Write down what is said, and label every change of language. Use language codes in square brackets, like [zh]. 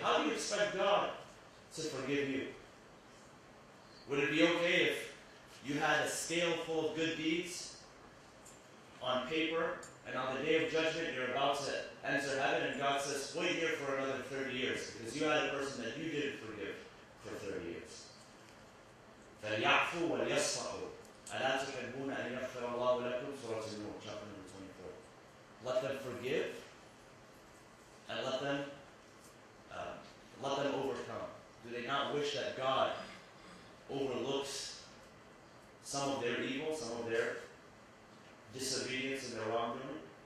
[en] How do you expect God to forgive you? Would it be okay if you had a scale full of good deeds on paper, and on the day of judgment you're about to enter heaven, and God says, wait here for another 30 years because you had a person that you didn't forgive for 30 years. [ar] فَلْيَعْفُوا وَلْيَصْفَحُوا أَلَا تُحِبُّونَ أَنْ يَغْفِرَ اللَّهُ لَكُمْ [en] Surah An-Nur, chapter number 24. Let them forgive, and let them overcome. Do they not wish that God overlooks some of their evil, some of their disobedience and their wrongdoing?